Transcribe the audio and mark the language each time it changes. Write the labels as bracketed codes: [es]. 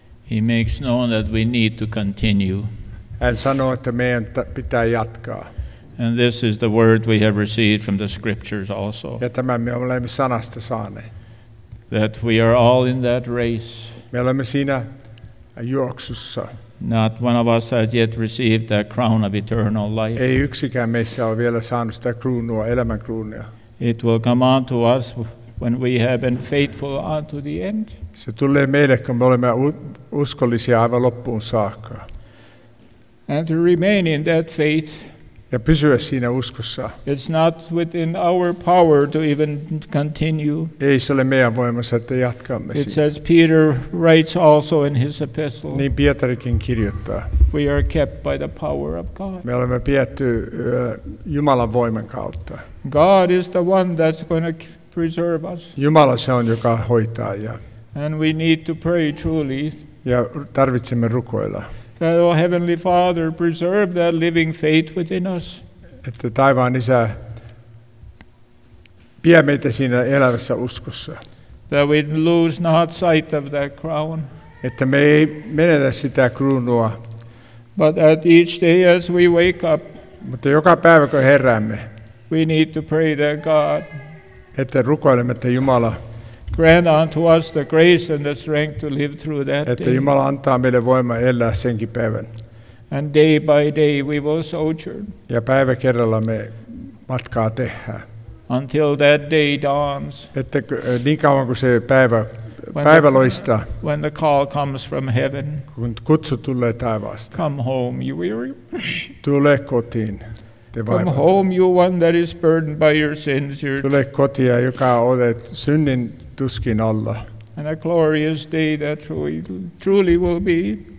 [en] He makes known that we need to continue. [fi] Hän sanoo, että meidän pitää jatkaa. [en] And this is the word we have received from the scriptures also. [fi] Ja tämän me olemme sanasta saaneet. [en] That we are all in that race. [fi] Me olemme siinä juoksussa. [en] Not one of us has yet received that crown of eternal life. [fi] Ei yksikään meissä ole vielä saanut sitä kruunua, elämän kruunia. [en] It will come unto us when we have been faithful unto the end. [fi] Se tulee meille, kun me olemme uskollisia aivan loppuun saakka. [en] And to remain in that faith. [fi] Ja pysyä siinä uskossa. [en] It's not within our power to even continue. [fi] Ei se ole meidän voimassa, että jatkamme siinä. [en] It says Peter writes also in his epistle. [fi] Niin Pietarikin kirjoittaa. [en] We are kept by the power of God. [fi] Me olemme pidetty Jumalan voiman kautta. [en] God is the one that's going to preserve us. [fi] Jumala se on, joka hoitaa. Ja [en] and we need to pray truly. [fi] Ja tarvitsemme rukoilla. [en] That, O Heavenly Father, preserve that living faith within us. [fi] Että taivaan isä, pidä meitä siinä elävässä uskossa. [en] That we lose not sight of that crown. [fi] Että me ei menetä sitä kruunua. [en] But at each day as we wake up. [fi] Mutta joka päivä kun heräämme. [en] We need to pray to God. [fi] Että rukoilemme, että Jumala. [en] Grant unto us the grace and the strength to live through that day. [fi] Että Jumala antaa meille voimaa elää senkin päivän. [en] And day by day we will sojourn. [fi] Ja päivä kerrallaan me matkaa tehdään. [en] Until that day dawns. [fi] Että niin kauan kuin se päivä loistaa. [en] When the call comes from heaven. [fi] Kun kutsu tulee taivaasta. [en] Come home, you weary. [fi] Tule kotiin. [en] Come home, you one that is burdened by your sins. [fi] Tule kotia, joka olet synnin tuskin alla. [en] And a glorious day that truly will be.